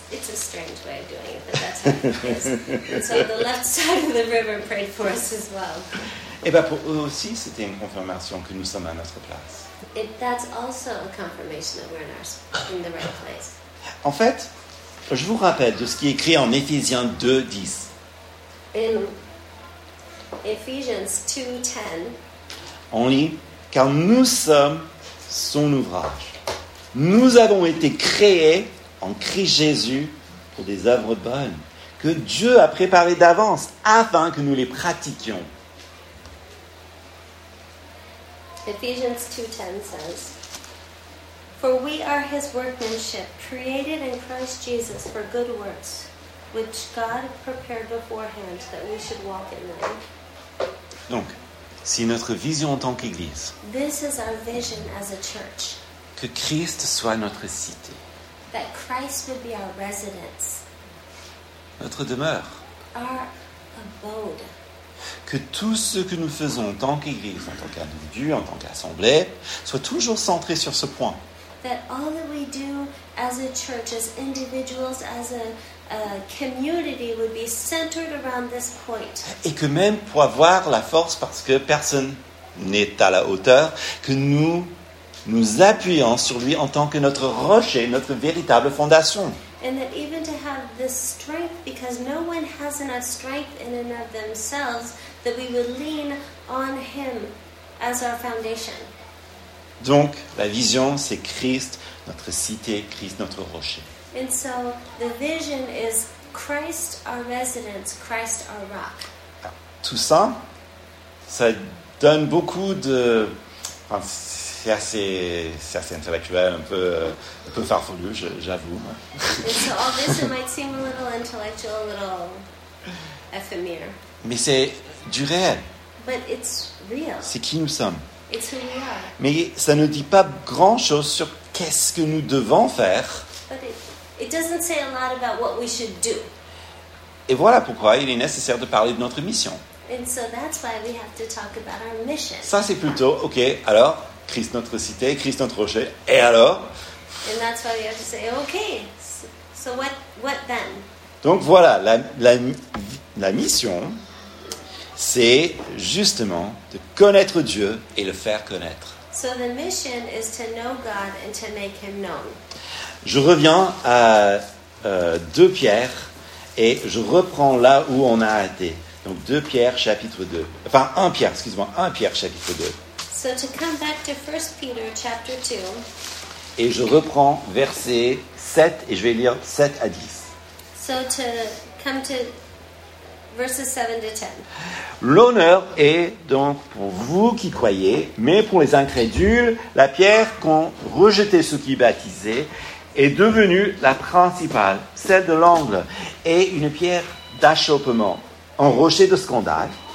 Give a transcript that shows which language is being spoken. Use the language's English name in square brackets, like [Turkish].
[English] It's a strange way of doing it, but that's how it is. So the left side of the river prayed for us as well. [French] Et ben pour eux aussi, c'était une confirmation que nous sommes à notre place. [English] That's also a confirmation that we're in the right place. [French] En fait, je vous rappelle de ce qui est écrit en Éphésiens 2, 10. [English] In Ephesians 2, 10. [French] On lit, car nous sommes son ouvrage. Nous avons été créés en Christ Jésus pour des œuvres bonnes que Dieu a préparées d'avance afin que nous les pratiquions. [English] Ephesians 2:10 says, for we are his workmanship, created in Christ Jesus for good works, which God prepared beforehand that we should walk in them. [French] Donc, si notre vision en tant qu'Église, [English] this is our vision as a church. [French] Que Christ soit notre cité, [English] that Christ would be our residence, [French] notre demeure, [English] our abode. [French] Que tout ce que nous faisons en tant qu'Église, en tant qu'individu, en tant qu'assemblée, soit toujours centré sur ce point. [English] That all that we do as a church, as individuals, as a community would be centered around this point. [French] Et que même pour avoir la force, parce que personne n'est à la hauteur, que nous nous appuyons sur lui en tant que notre rocher, notre véritable fondation. [English] And that even to have this strength, because no one has enough strength in and of themselves, that we would lean on him as our foundation. [French] Donc, la vision, c'est Christ, notre cité, Christ, notre rocher. [English] And so, the vision is Christ, our residence, Christ, our rock. [French] Tout ça, ça donne beaucoup de... Enfin, c'est assez intellectuel, un peu farfelu, j'avoue. [English] And so, all this might seem a little intellectual, a little ephemere. [French] Mais c'est du réel. [English] But it's real. [French] C'est qui nous sommes. [English] It's who we are. [French] Mais ça ne dit pas grand-chose sur qu'est-ce que nous devons faire. [English] It doesn't say a lot about what we should do. [French] Et voilà pourquoi il est nécessaire de parler de notre mission. [English] And so that's why we have to talk about our mission. [French] Ça c'est plutôt, ok, alors, Christ notre cité, Christ notre rocher, et alors? [English] And that's why we have to say, ok, so what then? [French] Donc voilà, la mission, c'est justement de connaître Dieu et le faire connaître. [English] So the mission is to know God and to make him known. [French] Je reviens à 2 Pierre et je reprends là où on a été. Donc 2 Pierre chapitre 2. Enfin 1 Pierre, excuse-moi, 1 Pierre chapitre 2. [English] So to come back to 1 Peter chapter 2. [French] Et je reprends verset 7 et je vais lire 7 à 10. [English] So to come to verses 7 to 10. [French] L'honneur est donc pour vous qui croyez, mais pour les incrédules, la pierre qu'ont rejeté ceux qui baptisaient est devenue la principale, celle de l'angle, et une pierre d'achoppement, un rocher de scandale.